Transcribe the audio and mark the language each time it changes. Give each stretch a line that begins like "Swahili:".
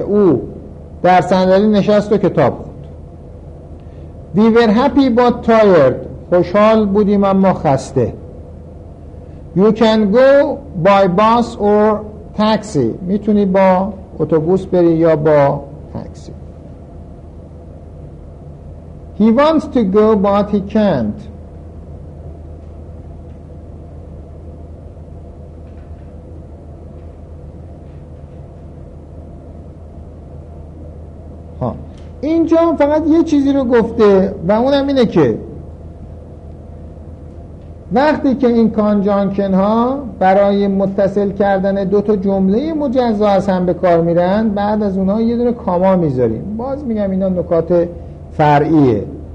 Persian: او در صندلی نشست و کتاب خوند.
English: We were happy but tired،
Persian: خوشحال بودیم اما خسته.
English: You can go by bus or taxi،
Persian: میتونی با اتوبوس بری یا با تاکسی.
English: He wants to go but he can't، ها
Persian: اینجا فقط یه چیزی رو گفته و اونم اینه که وقتی که این کانجانکن ها برای متصل کردن دو تا جمله مجزا از هم به کار میرن، بعد از اونها یه دونه کاما میذاریم. باز میگم اینا نکات فرعیه.